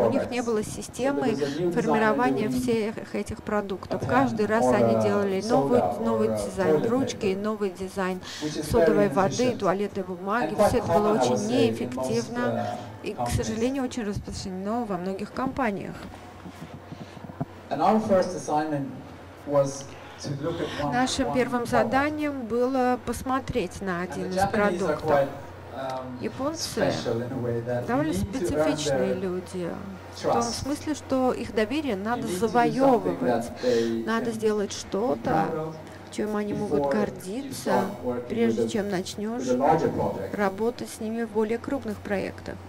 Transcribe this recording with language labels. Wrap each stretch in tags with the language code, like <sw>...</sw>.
<ru>У них не было системы формирования всех этих продуктов. Каждый раз они делали новый дизайн ручки, новый дизайн содовой воды, туалетной бумаги. Все это было очень неэффективно и, к сожалению, очень распространено во многих компаниях.</ru> <en>And our first assignment was to look at one.</en> <ru>Нашим первым заданием было посмотреть на один из продуктов. Японцы довольно специфичные люди. В том смысле, что их доверие надо завоевывать. Надо сделать что-то, чем они могут гордиться, прежде чем начнешь работать с ними в более крупных проектах.</ru>